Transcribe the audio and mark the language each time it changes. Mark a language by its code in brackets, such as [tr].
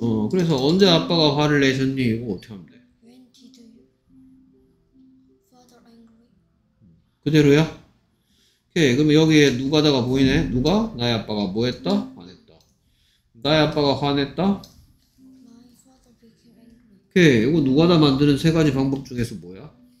[ko] 그래서 언제 아빠가 화를 내셨니? 이거 어떻게 하면 돼? [en] When did you father angry? [ko] 그대로야? 오케이. 그럼 여기에 누가다가 보이네? 누가? 나의 아빠가 뭐 했다? 화냈다. 나의 아빠가 화냈다? [en] My father became angry. [ko] 오케이. 이거 누가다 만드는 세 가지 방법 중에서 뭐야?